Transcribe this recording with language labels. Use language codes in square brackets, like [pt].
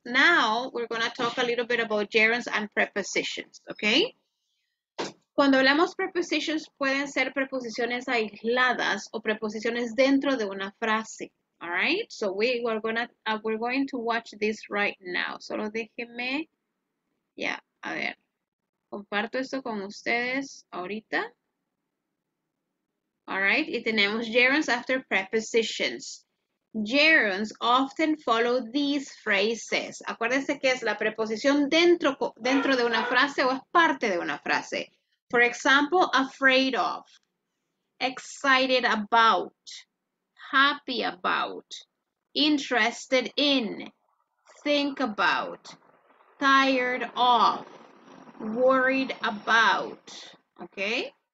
[en] Now, we're going to talk a little bit about gerunds and prepositions, okay? [es] Cuando hablamos prepositions, pueden ser preposiciones aisladas o preposiciones dentro de una frase. [en] All right, so we're going to watch this right now. [es] Solo déjeme, yeah, a ver, comparto esto con ustedes ahorita. [en] All right, [es] y tenemos [en] gerunds after prepositions. Gerunds often follow these phrases. [es] Acuérdense que es la preposición dentro de una frase o es parte de una frase. [en] For example, afraid of, excited about, happy about, interested in, think about, tired of, worried about. Okay?